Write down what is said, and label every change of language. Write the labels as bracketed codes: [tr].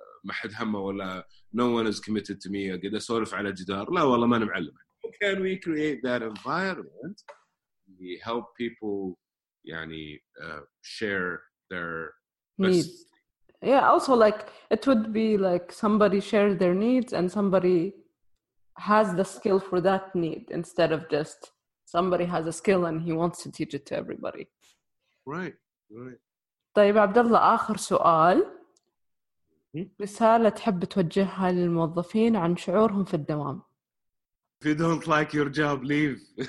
[ar] حد همه ولا [en] no one is committed to me [ar] قاعد اسولف على جدار لا والله ما انا معلم [en] how can we create that environment to help people يعني share their needs yeah also like it would be like somebody share their needs and somebody has the skill for that need instead of just somebody has a skill and he wants to teach it to everybody. Right. [ar] طيب عبد الله آخر سؤال رسالة تحب توجهها للموظفين عن شعورهم في الدوام. [en] If you don't like your job, leave.